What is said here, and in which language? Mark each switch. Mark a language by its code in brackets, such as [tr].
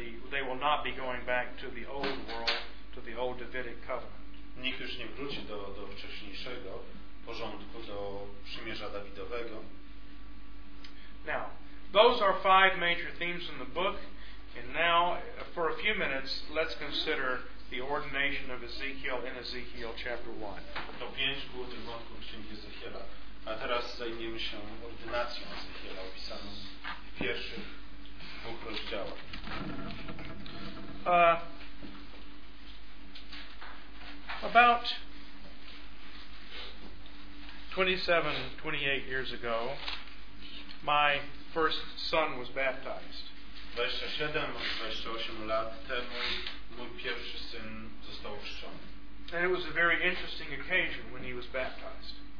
[en] They will not be going back to the old world, to the old Davidic covenant. [pl] Nikt już nie wróci do wcześniejszego porządku, do przymierza Dawidowego. [en] Now, those are five major themes in the book, and now, for a few minutes, let's consider the ordination of Ezekiel in Ezekiel chapter 1. [pl] To pięć głównych wątków Księgi Ezechiela, a teraz zajmiemy się ordynacją Ezechiela opisaną w pierwszych dwóch rozdziałach. [en] About 27-28 years ago, my first son was baptized. [pl] 27-28 lat temu mój pierwszy syn został ochrzczony. [en] And it was a very interesting occasion when he was baptized.